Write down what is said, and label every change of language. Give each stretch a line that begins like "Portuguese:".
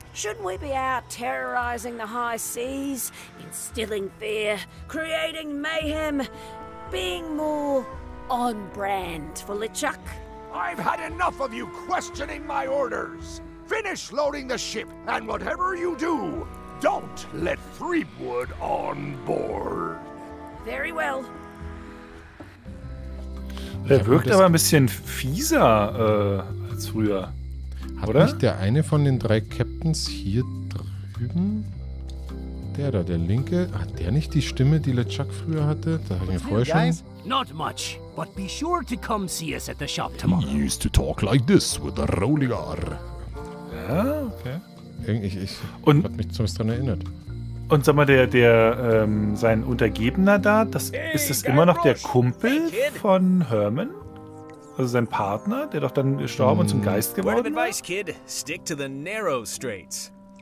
English: Shouldn't we be out terrorizing the high seas, instilling fear, creating mayhem, being more on brand for LeChuck? I've had enough of you questioning my orders. Finish loading the ship, and whatever you do, don't let Threepwood on board. Very well.
German: Er wirkt aber ein bisschen fieser als früher. Hat oder? Nicht der eine von den drei Captains hier drüben? Der da, der linke. Hat der nicht die Stimme, die LeChuck früher hatte? Da hatte ich ihn vorher schon.
English: Not much, but be sure to come see us at the shop tomorrow. He used to talk like this with a rolling R.
German: Ja, okay. Ich hat mich zumindest daran erinnert. Und sag mal, der sein Untergebener da, das ist es immer noch der Kumpel von Herman? Also sein Partner, der doch dann gestorben und zum Geist geworden ist?
English: Word of advice, kid. Stick to the narrow straits.